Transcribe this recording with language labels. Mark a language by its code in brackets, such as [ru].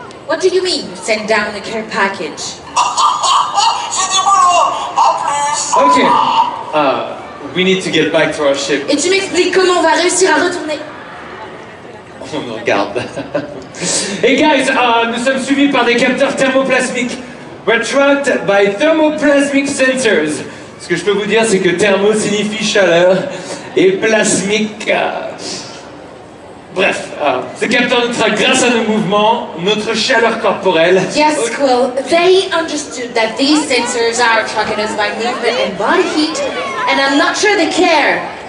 [en] What do you mean, send down the care package? Okay. We need to get back to our ship. [fr] Et tu m'expliques comment on va réussir à retourner? On en garde. Hey guys, nous sommes suivis par des capteurs thermoplasmiques. [en] We're tracked by thermoplasmic sensors. [fr] Ce que je peux vous dire, c'est que thermo signifie chaleur et plasmique. Bref, ces capteurs nous traquent grâce à nos mouvements, notre chaleur corporelle. [en] Yes, Quill, they understood that these sensors are tracking us by movement and body heat, and I'm not sure they care.